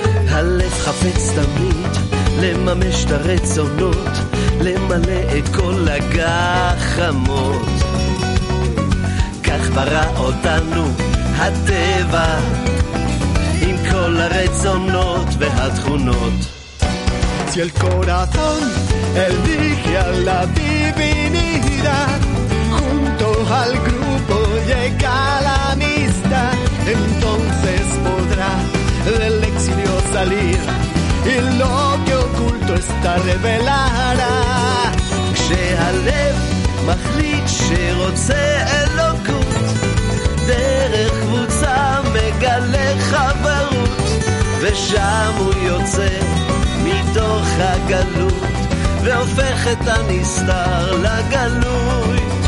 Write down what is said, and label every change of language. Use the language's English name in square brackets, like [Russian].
[Hebrew] הלב חפץ תמיד לממש את הרצונות, למלא את כל הגחמות. כך ברא אותנו הטבע כל הרצונות והתכונות. [Spanish] Si el corazón elige a la divinidad, junto al grupo llega la amistad, entonces podrá del exilio salir y lo que oculto está revelará. [Hebrew] כשהלב מחליט שרוצה אלוקות, דרך קבוצה מגלה חברות ושם הוא יוצא מתוך הגלות והופך את הנסתר לגלוי.